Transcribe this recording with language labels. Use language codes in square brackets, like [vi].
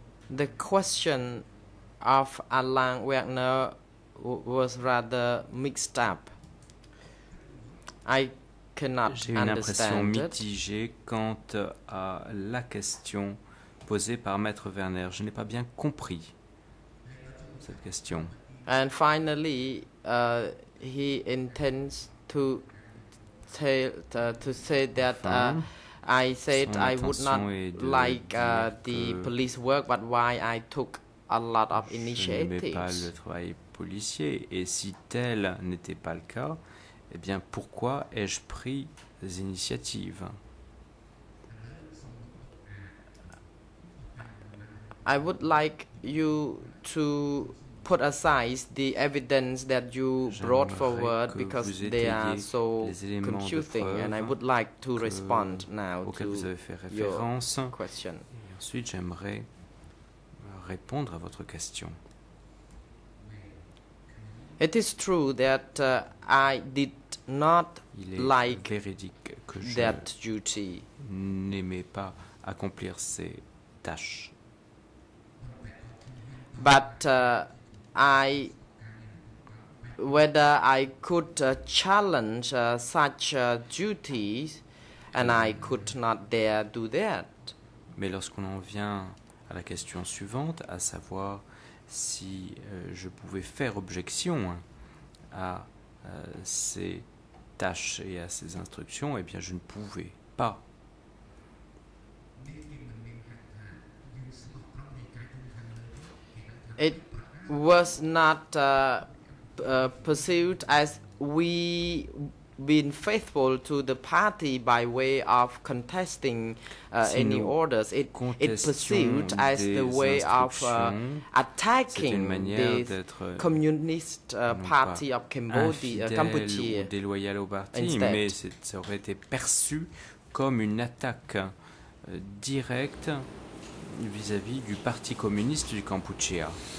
[en] The question of Alain Wagner was rather mixed up. I cannot understand. [fr] J'ai une impression mitigée quant à la question posée par Maître Werner. Je n'ai pas bien compris cette question. [en] And finally, he intends to tell to say that I said I would not like the police work, but why I took a lot of initiatives. [fr] Je n'aimais pas le travail policier, et si tel n'était pas le cas, eh bien pourquoi ai-je pris des initiatives? [en] I would like you to put aside the evidence that you brought forward because they are so confusing, and I would like to respond now to your question. [fr] Ensuite, j'aimerais répondre à votre question. [en] It is true that I did not like that duty. [fr] N'aimais pas accomplir ces tâches. [en] But I, whether I could challenge such duties, and I could not dare do that. [fr] Mais lorsqu'on en vient à la question suivante, à savoir si je pouvais faire objection à ces tâches et à ces instructions, eh bien je ne pouvais pas. [en] It was not pursued as we been faithful to the party by way of contesting any orders. It pursued as the way of attacking the communist party of Cambodia, Cambodia. [fr] Ou déloyal au parti, mais ça aurait été perçu comme une attaque directe vis-à-vis du parti communiste du Cambodia.